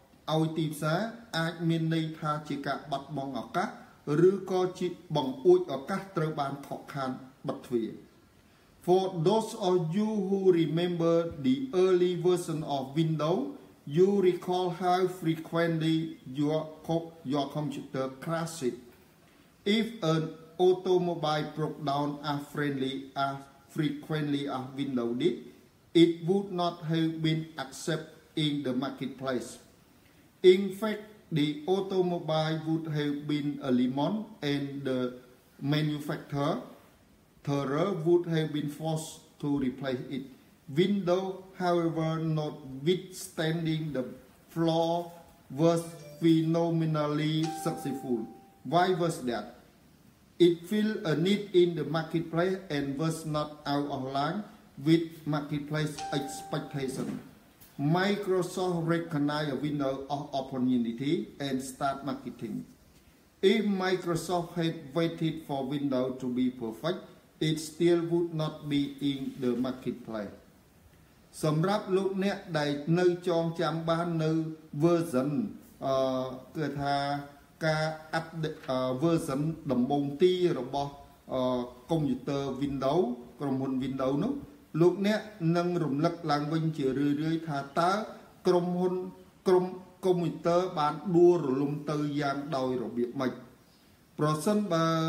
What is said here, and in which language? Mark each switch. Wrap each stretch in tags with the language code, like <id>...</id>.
<km>ឲ្យទីផ្សារអាចមានន័យថាជាការបាត់បង់ឱកាសឬក៏ជាបង្អួចឱកាសត្រូវបានខកខានបិទទ្វារ</km> <en>For those of you who remember the early version of Windows you recall how frequently your computer crashed if anAutomobile broke down as frequently as Windows did, it would not have been accepted in the marketplace. In fact, the automobile would have been a lemon and the manufacturer would have been forced to replace it. Windows, however, notwithstanding the flaw, was phenomenally successful. Why was that? It filled a need in the marketplace and was not out of line with marketplace expectation. Microsoft recognized a window of opportunity and started marketing. If Microsoft had waited for Windows to be perfect, it still would not be in the marketplace.</en> <km>សម្រាប់លោកអ្នកដែលនៅចងចាំបាននៅ version អឺគឺថាការ update version ដំបូងទីរបស់កុំព្យូទ័រ Windows ក្រុមហ៊ុន Windows នោះលោកអ្នកនឹងរំលឹកឡើងវិញជារឿយៗថាតើក្រុមហ៊ុនក្រុមកុំព្យូទ័របានដួលរលំទៅយ៉ាងដោយរបៀបម៉េចប្រសិនបើ</km>